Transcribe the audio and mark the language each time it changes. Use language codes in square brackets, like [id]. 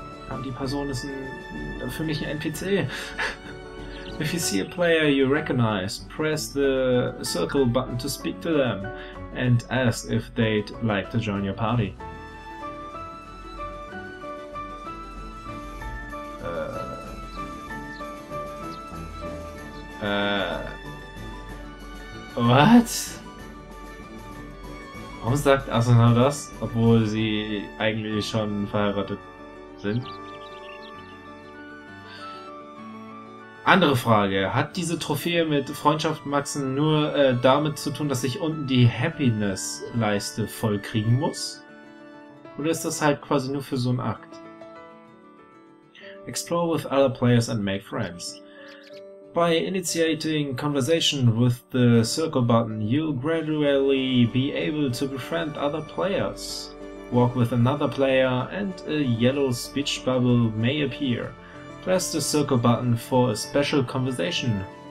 [de] Aber die Person ist für mich ein NPC. [en] If you see a player you recognize, press the circle button to speak to them and ask if they'd like to join your party. What? [de] Warum sagt Asuna das, obwohl sie eigentlich schon verheiratet sind? Andere Frage, hat diese Trophäe mit Freundschaft maxen nur damit zu tun, dass ich unten die Happiness-Leiste vollkriegen muss? Oder ist das halt quasi nur für so einen Akt? [en] Explore with other players and make friends. By initiating conversation with the circle button, you'll gradually be able to befriend other players. Walk with another player and a yellow speech bubble may appear. Press the circle button for a special conversation.